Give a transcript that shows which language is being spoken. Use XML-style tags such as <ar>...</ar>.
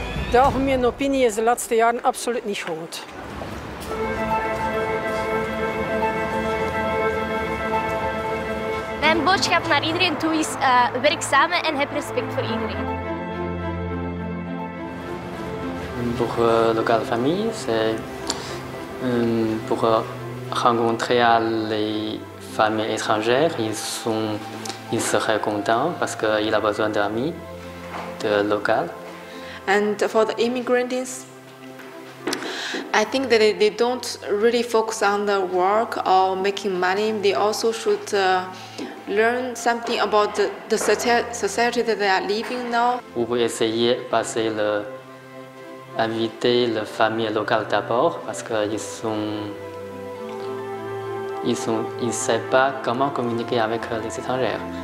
<nl>De algemene opinie is de laatste jaren absoluut niet goed. Mijn boodschap naar iedereen toe is werk samen en heb respect voor iedereen.</nl> <fr>Pour locale famille, c'est pour rencontrer les familles étrangères. Ils seraient contents parce qu'ils ont besoin d'amis, de local.</fr> <en>And for the immigrants, I think that they don't really focus on the work or making money. They also should learn something about the society that they are living now.</en> <fr>Vous pouvez essayer passer le inviter la famille locale d'abord parce qu'ils sont... ils savent pas comment communiquer avec les étrangers.</fr>